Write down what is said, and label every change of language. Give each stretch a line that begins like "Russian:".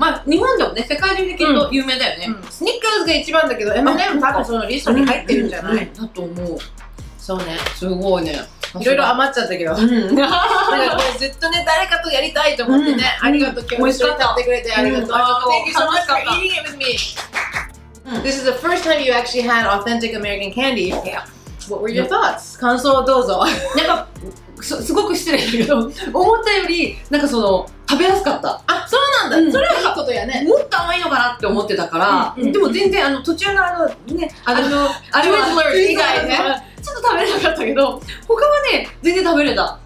Japanese: まあ日本でもね、世界中にきっと有名だよね、うん、スニッカーズが一番だけど、M&M 多分そのリストに入ってるんじゃない、うんうん、だと思う。そうね、すごいね、いろいろ余っちゃったけど、うん、だからこれずっとね、誰かとやりたいと思ってね、うん、ありがとう、今日一緒に食べてくれてありがとう、うん、
English: Thank you so much for eating it with me、うん、This is the first time you actually had authentic American candy、 yeah. What were your thoughts?
Japanese: 感想をどうぞ。なんかすごく失礼だけど、思ったよりなんかその食べやすかった。あ、そうなんだ、うん、それはいいことやね。もっと甘いのかなって思ってたから、うんうん、でも全然あの途中のあのね、あれは以外ね、ちょっと食べれなかったけど、他はね全然食べれた、